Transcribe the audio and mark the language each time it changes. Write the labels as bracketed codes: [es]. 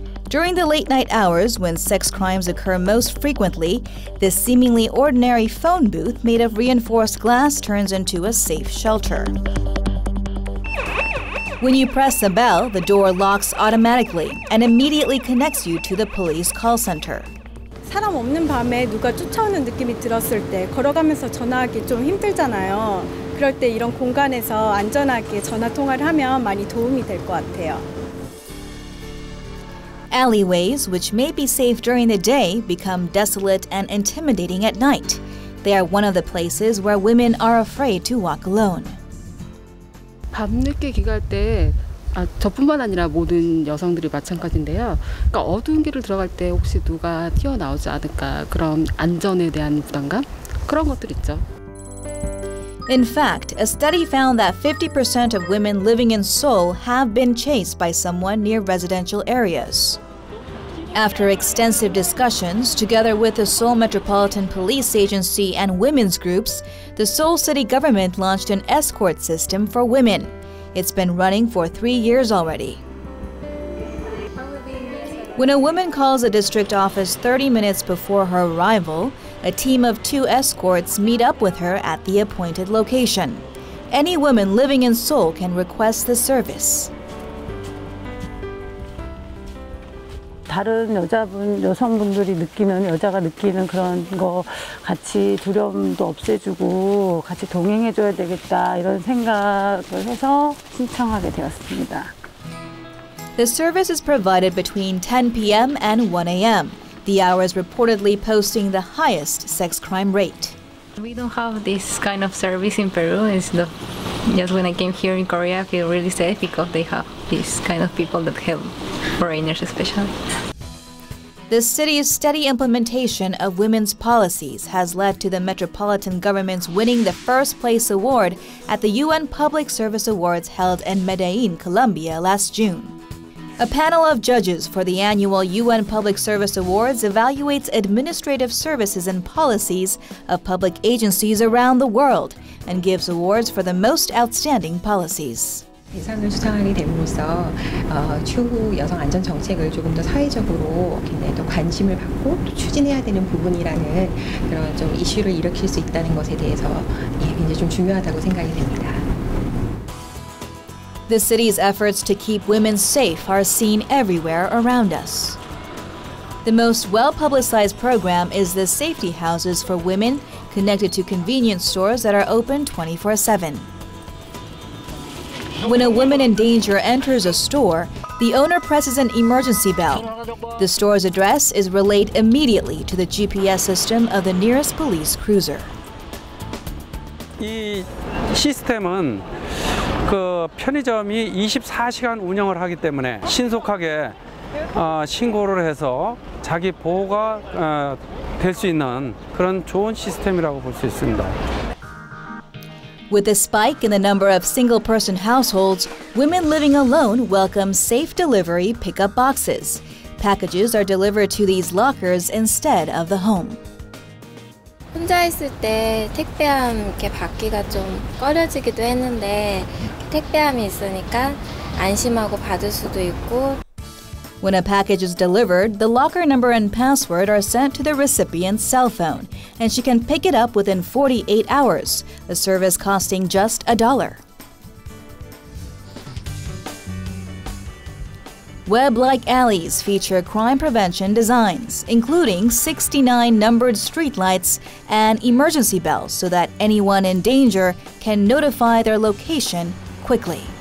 [en] During the late night hours, when sex crimes occur most frequently, this seemingly ordinary phone booth made of reinforced glass turns into a safe shelter. When you press a bell, the door locks automatically and immediately connects you to the police call center. [ko] 사람 없는 밤에 누가 쫓아오는 느낌이 들었을 때 걸어가면서 전화하기 좀 힘들잖아요. 그럴 때 이런 공간에서 안전하게 전화 통화를 하면 많이 도움이 될 것 같아요. [en] Alleyways, which may be safe during the day, become desolate and intimidating at night. They are one of the places where women are afraid to walk alone. [ko] 밤늦게 귀가할 때 저뿐만 아니라 모든 여성들이 마찬가지인데요. 그러니까 어두운 길을 들어갈 때 혹시 누가 튀어나오지 않을까 그런 안전에 대한 부담감? 그런 것들 있죠. [en] In fact, a study found that 50% of women living in Seoul have been chased by someone near residential areas. After extensive discussions, together with the Seoul Metropolitan Police Agency and women's groups, the Seoul City government launched an escort system for women. It's been running for 3 years already. When a woman calls a district office 30 minutes before her arrival, a team of two escorts meet up with her at the appointed location. Any woman living in Seoul can request the service. [ko] 다른 여자분, 여성분들이 느끼는, 여자가 느끼는 그런 거 같이 두려움도 없애주고 같이 동행해줘야 되겠다 이런 생각을 해서 신청하게 되었습니다. [en] The service is provided between 10 p.m. and 1 a.m. The hours reportedly posting the highest sex crime rate. We don't have this kind of service in Peru. Just when I came here in Korea, I feel really safe because they have this kind of people that help foreigners especially. The city's steady implementation of women's policies has led to the metropolitan government's winning the first place award at the UN Public Service Awards held in Medellin, Colombia last June. A panel of judges for the annual UN Public Service Awards evaluates administrative services and policies of public agencies around the world and gives awards for the most outstanding policies. [ko] 예산을 수상하게 됨으로써 추후 여성 안전 정책을 조금 더 사회적으로 굉장히 더 관심을 받고 또 추진해야 되는 부분이라는 그런 좀 이슈를 일으킬 수 있다는 것에 대해서 굉장히 좀 중요하다고 생각이 됩니다. [en] The city's efforts to keep women safe are seen everywhere around us. The most well-publicized program is the safety houses for women connected to convenience stores that are open 24/7. When a woman in danger enters a store, the owner presses an emergency bell. The store's address is relayed immediately to the GPS system of the nearest police cruiser. [ko] 이 시스템은 그 편의점이 24시간 운영을 하기 때문에 신속하게 신고를 해서 자기 보호가 될 수 있는 그런 좋은 시스템이라고 볼 수 있습니다. [en] With a spike in the number of single-person households, women living alone welcome safe delivery pickup boxes. Packages are delivered to these lockers instead of the home. [ko] 혼자 있을 때 택배함 이렇게 받기가 좀 꺼려지기도 했는데 택배함이 있으니까 안심하고 받을 수도 있고. [en] When a package is delivered, the locker number and password are sent to the recipient's cell phone, and she can pick it up within 48 hours, a service costing just a dollar. Web-like alleys feature crime prevention designs, including 69 numbered streetlights and emergency bells so that anyone in danger can notify their location quickly.